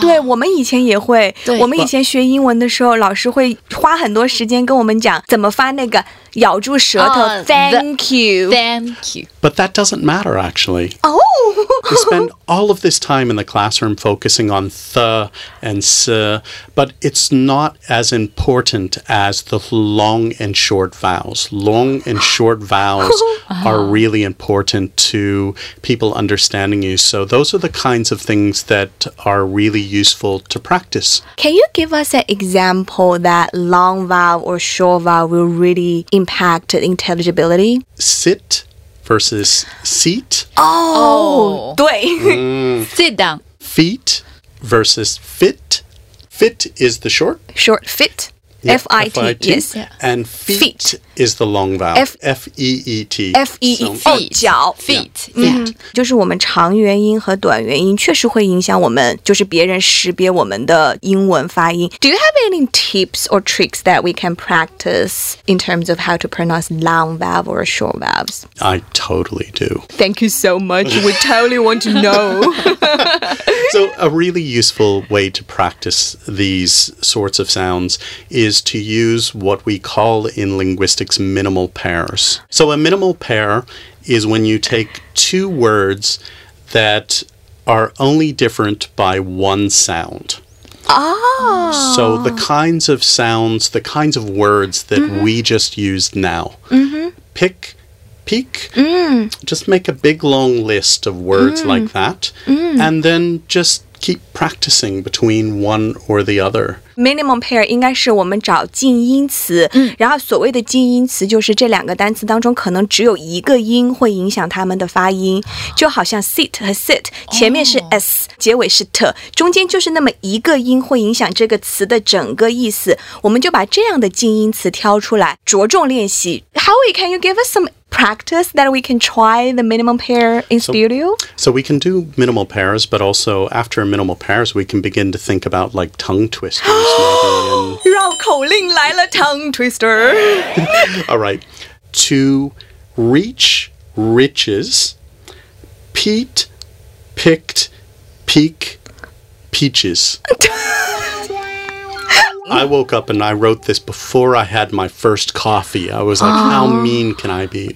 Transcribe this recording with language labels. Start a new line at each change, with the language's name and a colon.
Chinese: 对，我们以前也会，我们以前学英文的时候，老师会花很多时间跟我们讲怎么发那个咬住舌头。
English: Thank you. But that doesn't matter, actually. We spend all of this time in the classroom focusing on the and s, but it's not as important as the long and short vowels. Long and short vowels are really important to people understanding you. So those are the kinds of things that are really useful to practice. Can you give us an example that long vowel or short vowel will really impact intelligibility? Sit. Versus seat. Sit down. Feet versus fit. Fit is the short. Short, fit. Yep, F-I-T, F-I-T. Yes. And feet is the long vowel. F-E-E-T. F-E-E-T. So, feet.
Chinese: 脚
English: feet. Yeah. Feet.
Chinese: 就是我们长元音和短元音确实会影响我们，就是别人识别我们的英文发音。
English: Do you have any tips or tricks that we can practice in terms of how to pronounce long vowel or short vowels? I totally do. Thank you so much. We totally want to know. So a really useful way to practice these sorts of sounds is to use what we call in linguistics minimal pairs. So a minimal pair is when you take two words that are only different by one sound. So the kinds of sounds, the kinds of words that we just used now. Pick, peek, just make a big long list of words like that, and then just... keep practicing between one or the other.
Chinese: Minimum pair 应该是我们找近音词，然后所谓的近音词就是这两个单词当中可能只有一个音会影响它们的发音，就好像 sit 和 sit， 前面是 s， 结尾是 t， 中间就是那么一个音会影响这个词的整个意思。我们就把这样的近音词挑出来，着重练习。
English: Howie, can you give us some? Practice that we can try the minimal pair in studio? So we can do minimal pairs, but also after minimal pairs, we can begin to think about like tongue twisters.
Chinese: 绕口令来了 tongue twister.
English: All right. To reach riches, peat picked peak peaches. I woke up and I wrote this before I had my first coffee. I was like, how mean can I be?